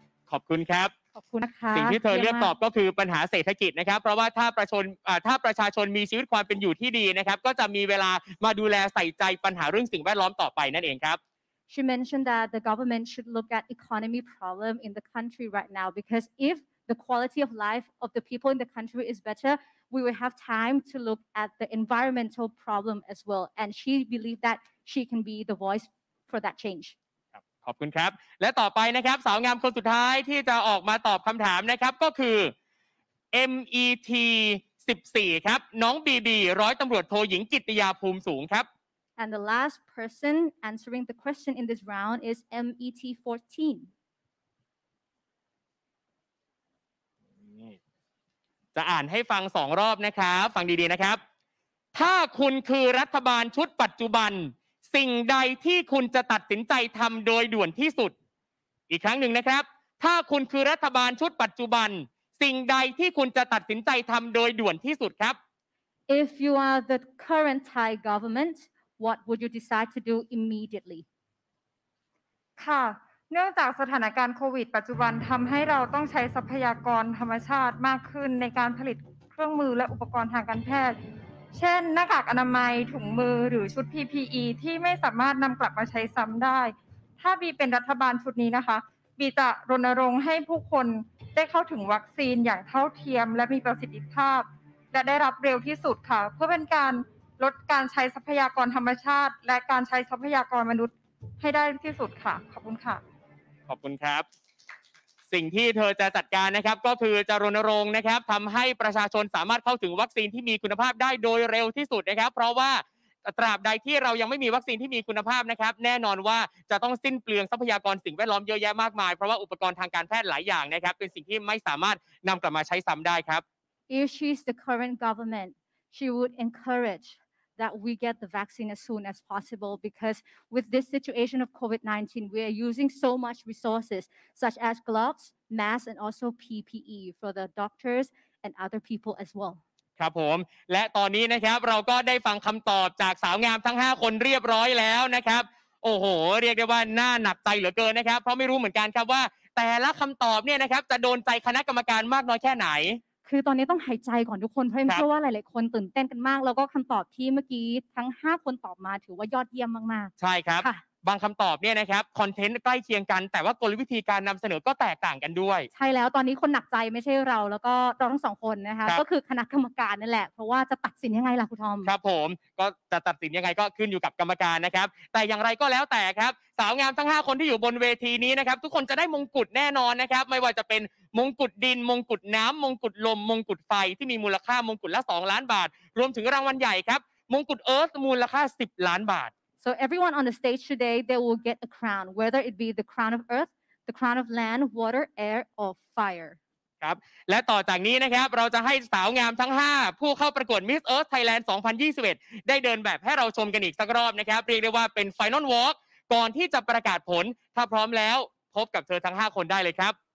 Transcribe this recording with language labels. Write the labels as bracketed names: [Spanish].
[Thai] ขอบคุณครับ ขอบคุณนะคะ สิ่งที่เธอเลือกตอบก็คือปัญหาเศรษฐกิจนะครับเพราะว่าถ้าประชาชนมีชีวิตความเป็นอยู่ที่ดีนะครับก็จะมีเวลามาดูแลใส่ใจปัญหาเรื่องสิ่งแวดล้อมต่อไปนั่นเองครับ [English] She mentioned that the government should look at economy problem in the country right now because if the quality of life of the people in the country is better, we will have time to look at the environmental problem as well. And she believed that she can be the voice for that change. [Thai] ขอบคุณครับและต่อไปนะครับสาวงามคนสุดท้ายที่จะออกมาตอบคำถามนะครับก็คือ MET 14ครับน้องบีบีร้อยตำรวจโทหญิงกิตติยาภูมิสูงครับ [English] And the last person answering the question in this round is MET 14. [Thai] จะอ่านให้ฟัง2รอบนะครับฟังดีๆนะครับถ้าคุณคือรัฐบาลชุดปัจจุบันสิ่งใดที่คุณจะตัดสินใจทำโดยด่วนที่สุดอีกครั้งหนึ่งนะครับถ้าคุณคือรัฐบาลชุดปัจจุบันสิ่งใดที่คุณจะตัดสินใจทำโดยด่วนที่สุดครับ [English] If you are the current Thai governmentWhat would you decide to do immediately? [Thai] ค่ะเนื่องจากสถานการณ์โควิดปัจจุบันทำให้เราต้องใช้ทรัพยากรธรรมชาติมากขึ้นในการผลิตเครื่องมือและอุปกรณ์ทางการแพทย์ เช่นหน้ากากอนามัยถุงมือหรือชุด PPE ที่ไม่สามารถนำกลับมาใช้ซ้ำได้ถ้าบีเป็นรัฐบาลชุดนี้นะคะบีจะรณรงค์ให้ผู้คนได้เข้าถึงวัคซีนอย่างเท่าเทียมและมีประสิทธิภาพและได้รับเร็วที่สุดค่ะเพื่อเป็นการลดการใช้ทรัพยากรธรรมชาติและการใช้ทรัพยากรมนุษย์ให้ได้ที่สุดค่ะขอบคุณค่ะ ขอบคุณครับสิ่งที่เธอจะจัดการนะครับก็คือจะรณรงค์นะครับทำให้ประชาชนสามารถเข้าถึงวัคซีนที่มีคุณภาพได้โดยเร็วที่สุดนะครับเพราะว่าตราบใดที่เรายังไม่มีวัคซีนที่มีคุณภาพนะครับแน่นอนว่าจะต้องสิ้นเปลืองทรัพยากรสิ่งแวดล้อมเยอะแยะมากมายเพราะว่าอุปกรณ์ทางการแพทย์หลายอย่างนะครับเป็นสิ่งที่ไม่สามารถนำกลับมาใช้ซ้ำได้ครับ [English] If she's the current government she would encourageThat we get the vaccine as soon as possible because with this situation of COVID-19, we are using so much resources such as gloves, masks, and also PPE for the doctors and other people as well. [Thai] ครับผมและตอนนี้นะครับเราก็ได้ฟังคำตอบจากสาวงามทั้ง5คนเรียบร้อยแล้วนะครับโอ้โหเรียกได้ว่าน่าหนักใจเหลือเกินนะครับเพราะไม่รู้เหมือนกันครับว่าแต่ละคำตอบเนี่ยนะครับจะโดนใจคณะกรรมการมากน้อยแค่ไหน คือตอนนี้ต้องหายใจก่อนทุกคนเพราะไม่เชื่อว่าหลายๆคนตื่นเต้นกันมากแล้วก็คำตอบที่เมื่อกี้ทั้ง5คนตอบมาถือว่ายอดเยี่ยมมากๆ ใช่ครับบางคำตอบเนี่ยนะครับคอนเทนต์ใกล้เคียงกันแต่ว่ากลวิธีการนำเสนอก็แตกต่างกันด้วย ใช่แล้วตอนนี้คนหนักใจไม่ใช่เราแล้วก็เราทั้ง2คนนะคะก็ คือคณะกรรมการนั่นแหละเพราะว่าจะตัดสินยังไงล่ะคุณทอม ครับผมก็จะตัดสินยังไงก็ขึ้นอยู่กับกรรมการนะครับแต่อย่างไรก็แล้วแต่ครับสาวงามทั้ง5คนที่อยู่บนเวทีนี้นะครับทุกคนจะได้มงกุฎแน่นอนนะครับไม่ว่าจะเป็นมงกุฎดินมงกุฎน้ำมงกุฎลมมงกุฎไฟที่มีมูลค่ามงกุฎละ2ล้านบาทรวมถึงรางวัลใหญ่ครับ มงกุฎเอิร์ธมูลค่า10ล้านบาท [English] So everyone on the stage today they will get a crown whether it be the crown of earth the crown of land water air or fire [Thai] ครับและต่อจากนี้นะครับเราจะให้สาวงามทั้ง5ผู้เข้าประกวด Miss Earth Thailand 2021ได้เดินแบบให้เราชมกันอีกสักรอบนะครับเรียกได้ว่าเป็น Final Walk ก่อนที่จะประกาศผลถ้าพร้อมแล้วพบกับเธอทั้ง5คนได้เลยครับ